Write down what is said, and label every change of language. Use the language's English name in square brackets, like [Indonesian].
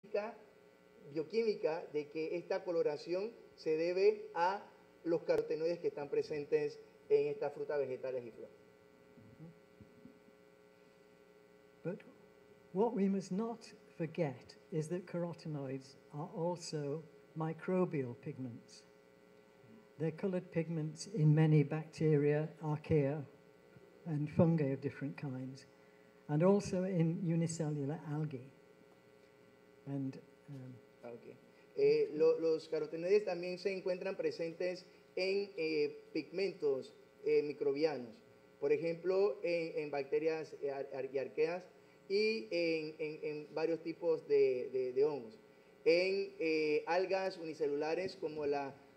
[Spanish] esta bioquímica de que esta coloración se debe a los carotenoides que están presentes en estas frutas vegetales y flores. [English] But what we must not forget is that carotenoids are also microbial pigments. They're colored pigments in many bacteria, archaea, and fungi of different kinds, and also in unicellular algae. And okay. [Spanish] Los carotenoides también se encuentran presentes en pigmentos microbianos, por ejemplo, en bacterias y arqueas y en varios tipos de hongos, en algas unicelulares como la